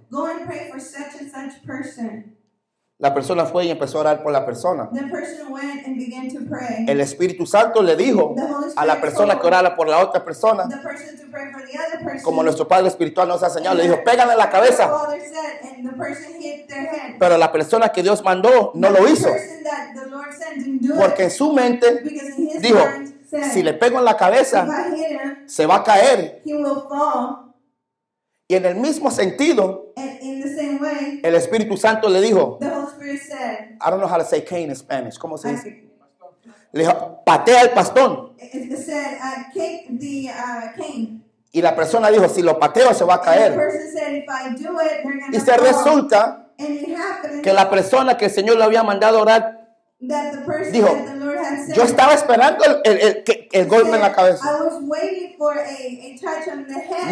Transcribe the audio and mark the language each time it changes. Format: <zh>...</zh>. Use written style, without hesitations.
<en>Go and pray for such and such person.</en> <es>La persona fue y empezó a orar por la persona.</es> <en>The person went and began to pray.</en> <es>El Espíritu Santo le dijo a la persona que orara por la otra persona,</es> <en>the person to pray for the other person.</en> <es>Como nuestro Padre Espiritual nos ha enseñado, le dijo, pégale la cabeza.</es> <en>The person hit their head.</en> <es>Pero la persona que Dios mandó no lo hizo.</es> <en>The person that the Lord sent didn't do</en> <es>porque En su mente dijo, si le pego en la cabeza, se va a caer.</es> <en>He will fall.</en> <es>Y en el mismo sentido,</es> <en>in the same way,</en> <es>el Espíritu Santo le dijo,</es> <en>the Holy Spirit said, I don't know how to say cane in Spanish.</en> <es>¿Cómo se dice? Le dijo, patea el pastón.</es> <en>It said, cake the cane.</en> <es>Y la persona dijo, si lo pateo, se va a caer.</es> <en>Said, if I do it,</en> <es>y se</es> <en>fall.</en> <es>Resulta que la persona que el Señor le había mandado orar,</es> <en>that the person</en> <es>dijo,</es> <en>that the Lord had said,</en> <es>yo estaba esperando el golpe en la cabeza.</es> <en>I was waiting for a touch on the head.</en>